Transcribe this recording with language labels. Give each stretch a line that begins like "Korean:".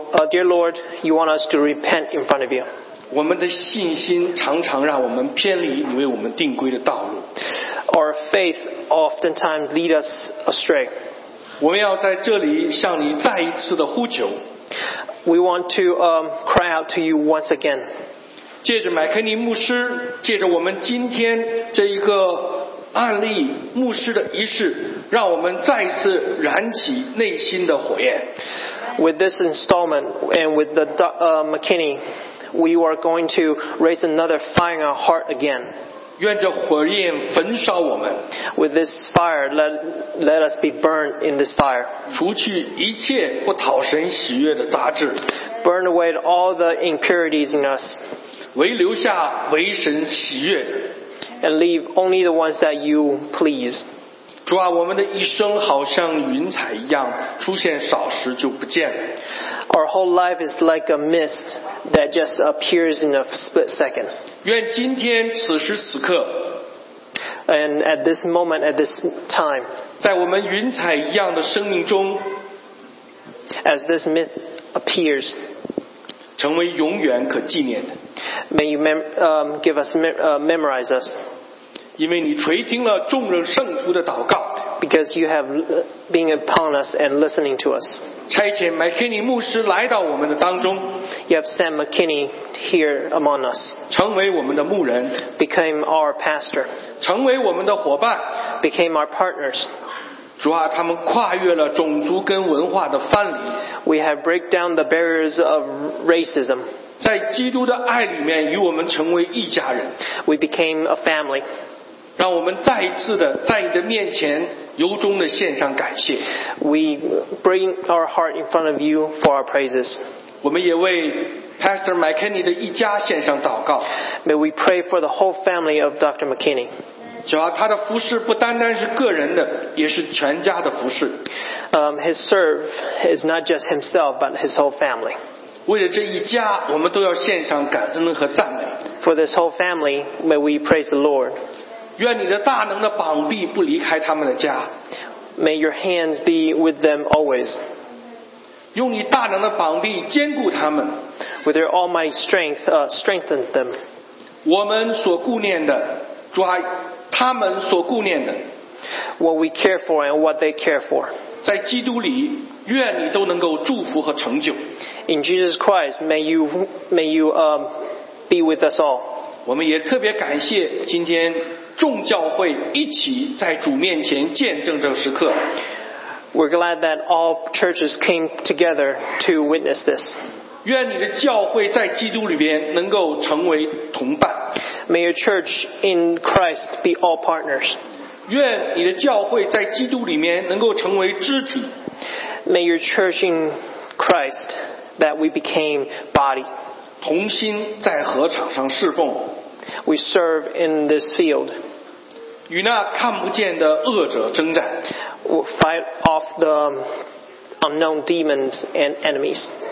English: Dear Lord, you want us to repent in front of you.
Chinese: 我们的信心常常让我们偏离你为我们定规的道路。
English: Our faith oftentimes lead us astray.
Chinese: 我们要在这里向你再一次的呼求。
English: We want to cry out to you once again.
Chinese: 借着麦肯尼牧师，借着我们今天这一个案例牧师的仪式，让我们再次燃起内心的火焰。
English: With this installment and with the McKinney, we are going to raise another fire in our heart again.
Chinese: 愿这火焰焚烧我们。
English: With this fire, let us be burned in this fire.
Chinese: 除去一切不讨神喜悦的杂质。
English: Burn away all the impurities in us.
Chinese: 唯留下唯神喜悦
English: and leave only the ones that you please.
Chinese: 主啊，我们的一生好像云彩一样，出现少时就不见了。
English: Our whole life is like a mist that just appears in a split second.
Chinese: 愿今天此时此刻
English: and at this moment, at this time,
Chinese: 在我们云彩一样的生命中
English: as this mist appears.
Chinese: 成为永远可纪念的。
English: May you memorize us.
Chinese: 因为你垂听了众人圣徒的祷告。
English: Because you have been upon us and listening to us.
Chinese: 差遣麦肯尼牧师来到我们的当中。
English: You have sent McKinney here among us.
Chinese: 成为我们的牧人。
English: Became our pastor.
Chinese: 成为我们的伙伴。
English: Became our partners.
Chinese: 主啊，他们跨越了种族跟文化的藩篱。
English: We have break down the barriers of racism.
Chinese: 在基督的爱里面，与我们成为一家人。
English: We became a family.
Chinese: 让我们再一次的在你的面前由衷的献上感谢。
English: We bring our heart in front of you for our praises.
Chinese: 我们也为Pastor McKinney 的一家献上祷告。
English: May we pray for the whole family of Dr. McKinney.
Chinese: 主要他的服事不单单是个人的，也是全家的服事。
English: His serve is not just himself, but his whole family.
Chinese: 为了这一家，我们都要献上感恩和赞美。
English: For this whole family, may we praise the Lord.
Chinese: 愿你的大能的膀臂不离开他们的家。
English: May your hands be with them always.
Chinese: 用你大能的膀臂坚固他们。
English: With your almighty strength, strengthen them.
Chinese: 我们所顾念的，主啊，他们所顾念的。
English: What we care for and what they care for.
Chinese: 在基督里，愿你都能够祝福和成就。
English: In Jesus Christ, may you be with us all.
Chinese: 我们也特别感谢今天众教会一起在主面前见证这时刻。
English: We're glad that all churches came together to witness this.
Chinese: 愿你的教会在基督里边能够成为同伴。
English: May your church in Christ be all partners.
Chinese: 愿你的教会在基督里面能够成为肢体。
English: May your church in Christ that we became body.
Chinese: 同心在合场上侍奉。
English: We serve in this field.
Chinese: 与那看不见的恶者征战。
English: We'll fight off the unknown demons and enemies.